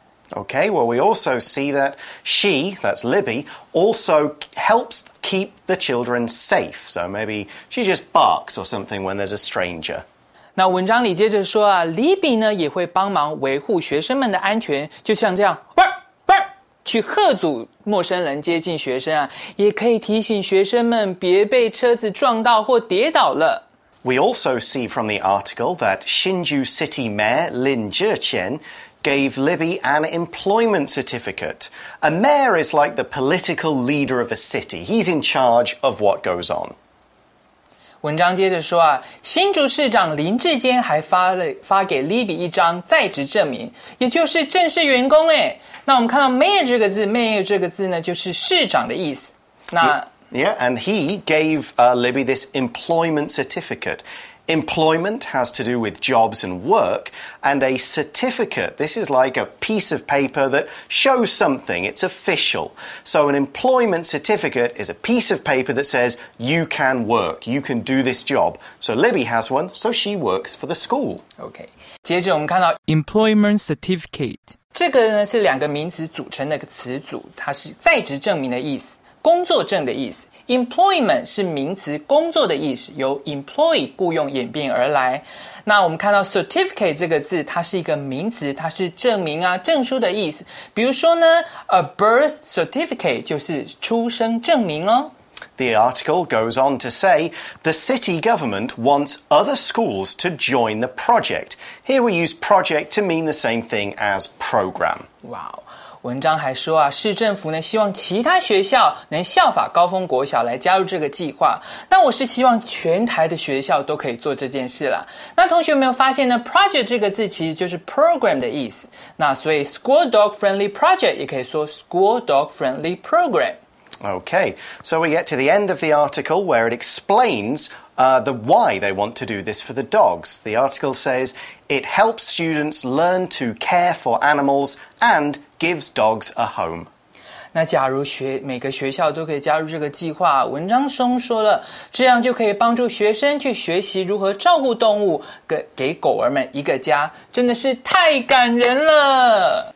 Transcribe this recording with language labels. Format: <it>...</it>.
<en>Okay, well, we also see that she, that's Libby, also helps keep the children safe. So maybe she just barks or something when there's a stranger.</en> <zh>那文章里接着说啊 ,Libby 呢也会帮忙维护学生们的安全，就像这样去吓阻陌生人接近学生啊，也可以提醒学生们别被车子撞到或跌倒了。</zh> <en>We also see from the article that Hsinchu City Mayor Lin Jiechen gave Libby an employment certificate. A mayor is like the political leader of a city. He's in charge of what goes on.</en> <zh>文章接着说啊，新竹市长林志坚还发给 Libby 一张在职证明，也就是正式员工耶。那我们看到 mayor 这个字 ,mayor 这个字呢就是市长的意思。那</zh> <en>Yeah, and he gave Libby this employment certificate. Employment has to do with jobs and work. And a certificate, this is like a piece of paper that shows something. It's official. So an employment certificate is a piece of paper that says you can work, you can do this job. So Libby has one, so she works for the school.</en> <zh>Okay. 接着我们看到</zh> <en>employment certificate.</en> <zh>这个呢是两个名词组成的词组，它是在职证明的意思。工作证的意思 ，employment 是名词，工作的意思，由 employ 雇用演变而来。那我们看到 certificate 这个字，它是一个名词，它是证明啊，证书的意思。比如说呢 ，a birth certificate 就是出生证明哦。</zh> <en>The article goes on to say, the city government wants other schools to join the project. Here we use project to mean the same thing as program. Wow.</en> <zh>文章还说啊，市政府呢希望其他学校能效法高峰国小来加入这个计划。那我是希望全台的学校都可以做这件事啦。那同学有没有发现呢 ？Project 这个字其实就是 program 的意思。那所以 school dog friendly project 也可以说 school dog friendly program。</zh> <en>Okay, so we get to the end of the article where it explains the why they want to do this for the dogs. The article says it helps students learn to care for animals and. Gives dogs a home.</en> <zh>那假如每个学校都可以加入这个计划，文章中说了，这样就可以帮助学生去学习如何照顾动物，给狗儿们一个家，真的是太感人了。</zh>